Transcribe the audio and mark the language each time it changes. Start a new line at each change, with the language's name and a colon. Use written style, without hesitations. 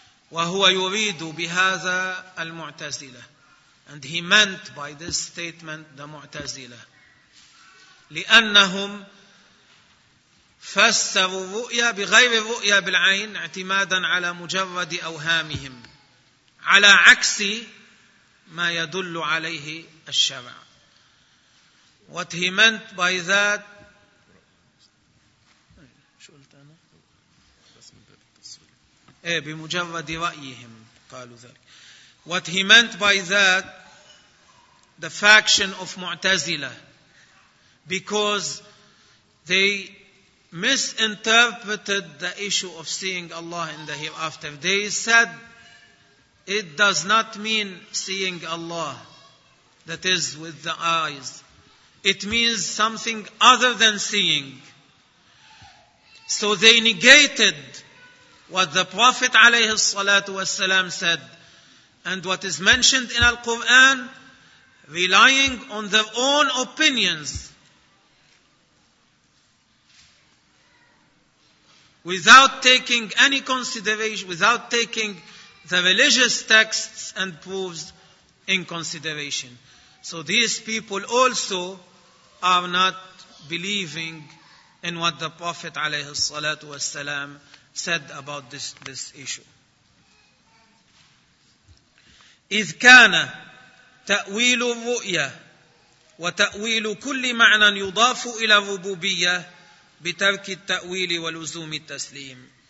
Arabic: وهو يريد بهذا المعتزلة.
English: And he meant by this statement the معتزلة.
Arabic: لأنهم فسروا الرؤيا بغير الرؤيا بالعين اعتمادا على مجرد أوهامهم على عكس ما يدل عليه الشرع.
English: What he meant by that,
Arabic: شو قلت أنا؟ إيه بمجرد رأيهم قالوا ذلك.
English: What he meant by that, the faction of Mu'tazila, because they misinterpreted the issue of seeing Allah in the hereafter. They said it does not mean seeing Allah, that is with the eyes. It means something other than seeing. So they negated what the Prophet
Arabic: alayhi salatu wasalam
English: said and what is mentioned in Al-Quran, relying on their own opinions without taking any consideration, without taking the religious texts and proofs in consideration. So these people also are not believing in what the Prophet
Arabic: عليه الصلاة والسلام
English: said about this issue.
Arabic: إذ كان تأويل الرؤية وتأويل كل معنى يضاف إلى الربوبية بترك التأويل ولزوم التسليم.